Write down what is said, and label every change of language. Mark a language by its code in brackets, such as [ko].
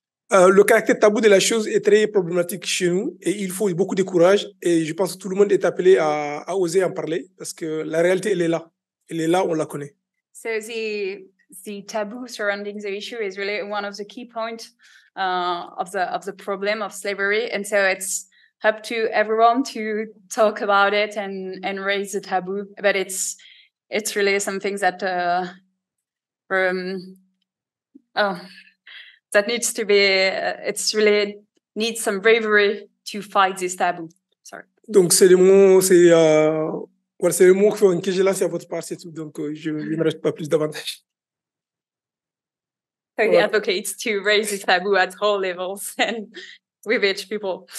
[fr] Le caractère tabou de la chose est très problématique chez nous et il faut beaucoup de courage et je pense que tout le monde est appelé à oser en parler parce que la réalité, elle est là. Elle est là, on la connaît. [en] So the taboo surrounding the issue is really one of the key points of the problem of slavery and so it's up to everyone to talk about it and raise the taboo but it's really something that that needs to be, it's really needs some bravery to fight this taboo. Sorry. [fr] Donc, c'est le mot que j'ai lancé à votre part, c'est tout. Donc, je ne reste pas plus davantage. [en] So, voilà. He advocates to raise this taboo at all levels and with each people.